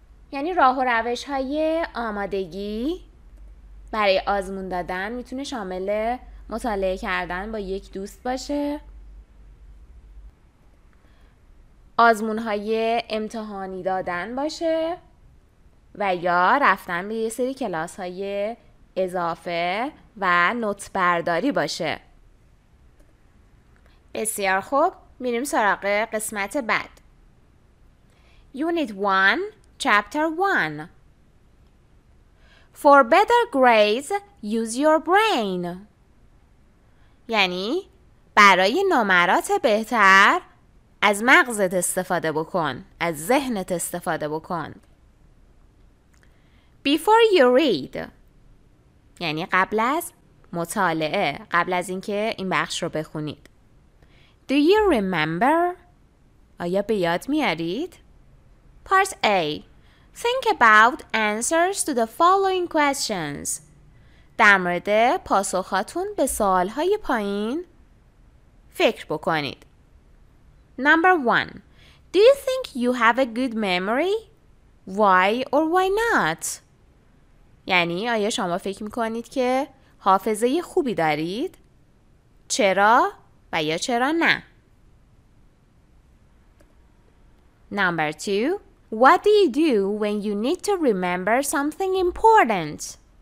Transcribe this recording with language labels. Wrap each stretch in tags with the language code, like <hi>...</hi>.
<fa>یعنی راه و روش های آمادگی برای آزمون دادن میتونه شامل مطالعه کردن با یک دوست باشه، آزمون های امتحانی دادن باشه و یا رفتن به یه سری کلاس های اضافه و نوت برداری باشه. بسیار خوب، میریم سراغ قسمت بعد.</fa> <en>Unit 1 Chapter 1 For better grades use your brain.</en> <fa>یعنی برای نمرات بهتر از مغزت استفاده بکن، از ذهنت استفاده بکن.</fa> <en>Before you read،</en> <fa>یعنی قبل از مطالعه، قبل از اینکه این بخش رو بخونید.</fa> <en>Do you remember؟</en> <fa>آیا به یاد میارید؟</fa> <en>Part A. Think about answers to the following questions.</en> <fa>در مورد پاسخاتون به سوالهای پایین فکر بکنید.</fa> <en>Number 1. Do you think you have a good memory? Why or why not?</en> <fa>یعنی آیا شما فکر میکنید که حافظه خوبی دارید؟ چرا و یا چرا نه؟</fa> <en>Number 2. What do you do when you need to remember something important?</en>